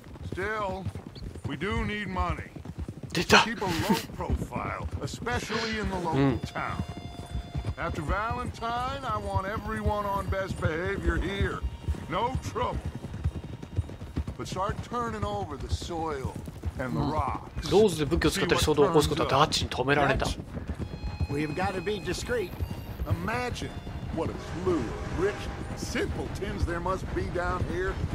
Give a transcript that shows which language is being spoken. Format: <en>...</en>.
<en>Still, we do need money. Keep a low profile, especially in the local town. After Valentine, I want everyone on best behavior here. No trouble. But start turning over the soil and the rocks.</en> <ja>ローズで武器を使ったり衝動を起こすことはダッチに止められた。</ja> <en>We've got to be discreet. Imagine what a slew of rich, simple tins there must be down here.</en>